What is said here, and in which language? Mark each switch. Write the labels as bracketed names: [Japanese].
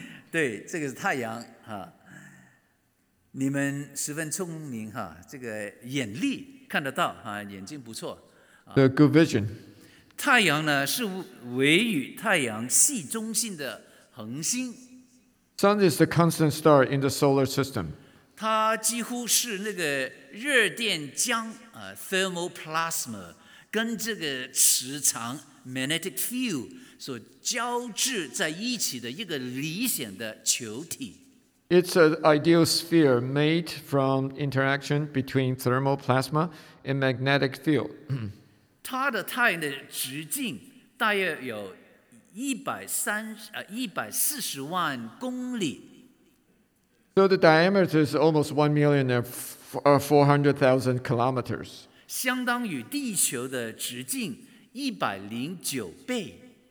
[Chinese] 对，这个是太阳哈，你们十分聪明哈，这个眼力看得到哈，眼睛不错 [English] the good vision [Chinese] 太阳呢是围与太阳系中心的恒星 [English] sun is the constant star in the solar system [Chinese] 它几乎是那个热电浆thermal plasma 跟这个磁场 magnetic field 所交织在一起的一个理想的球体。 [English] It's an ideal sphere made from interaction between thermal plasma and magnetic field. [Chinese] 它的太阳的直径大约有140万公里。 [English] So the diameter is almost 1,400,000 kilometers. [Chinese] 相当于地球的直径109倍。